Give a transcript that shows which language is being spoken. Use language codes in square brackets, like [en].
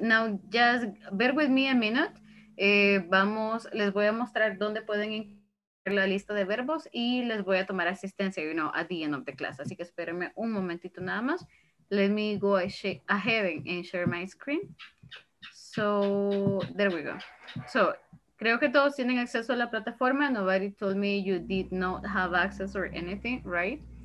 [en] Now, just bear with me a minute. [es] Les voy a mostrar dónde pueden encontrar la lista de verbos y les voy a tomar asistencia, [en] you know, at the end of the class. [es] Así que espérenme un momentito nada más. [en] Let me go ahead and share my screen. So, there we go. [es] So, creo que todos tienen acceso a la plataforma. [en] Nobody told me you did not have access or anything, right?